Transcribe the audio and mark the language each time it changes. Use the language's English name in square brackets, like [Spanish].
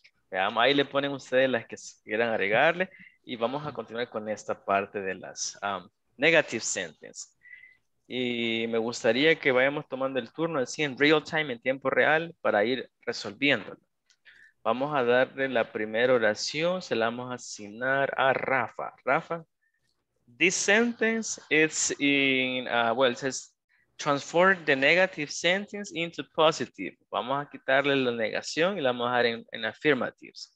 [Spanish] Veamos, ahí le ponen ustedes las que quieran agregarle. Y vamos a continuar con esta parte de las negative sentences. Y me gustaría que vayamos tomando el turno así en real time, en tiempo real, para ir resolviéndolo. Vamos a darle la primera oración. Se la vamos a asignar a Rafa. [English] Rafa, this sentence is in, well, it says, transform the negative sentence into positive. [Spanish] Vamos a quitarle la negación y la vamos a dejar en affirmatives.